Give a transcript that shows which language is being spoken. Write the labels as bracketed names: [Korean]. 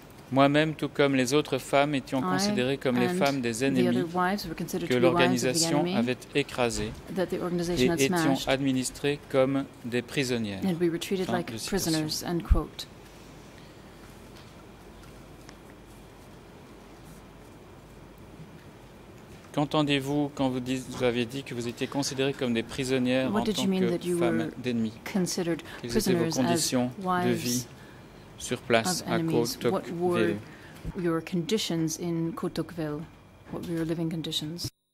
[French] Moi-même, tout comme les autres femmes, étions considérées comme les femmes des ennemis que l'organisation avait écrasées et étions administrées comme des prisonnières. [English] And we were treated like prisoners, end quote. [French] Qu'entendez-vous quand vous, vous avez dit que vous étiez considérées comme des prisonnières [English] what [French] en tant que femmes d'ennemis? Quelles étaient vos conditions de vie sur place à Kotokville? [English] Your conditions in Kotokville, what were your living conditions?